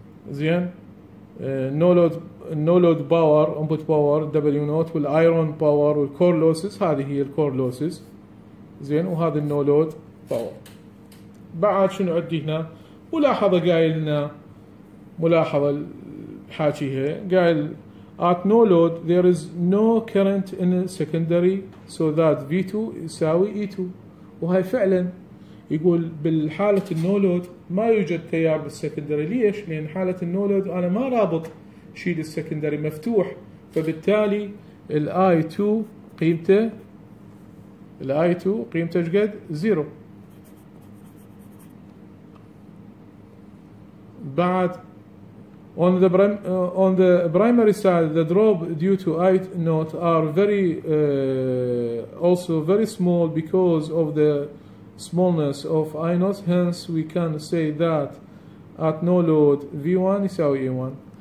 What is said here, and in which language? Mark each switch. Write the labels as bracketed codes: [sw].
[ar] زين، النو لود باور انبوت باور دبليو نوت والايرون باور والكور لوسز، هذه هي الكور لوسز، زين، وهذا النو لود باور. بعد شنو عندي هنا؟ ملاحظه قايل لنا، ملاحظه حاجيها قال [en] at no load there is no current in the secondary so that V2 [ar] يساوي [en] E2. [ar] وهي فعلا يقول بالحالة النو لود ما يوجد تيار بالسكندري. ليش؟ لأن حالة النو لود أنا ما رابط شيء للسكندري مفتوح، فبالتالي الـ I2 قيمته الـ I2 قيمته شقد؟ زيرو. [en] بعد on the primary side the drop due to I not are very also very small because of the smallness of I not, hence we can say that at no load V1 is E1.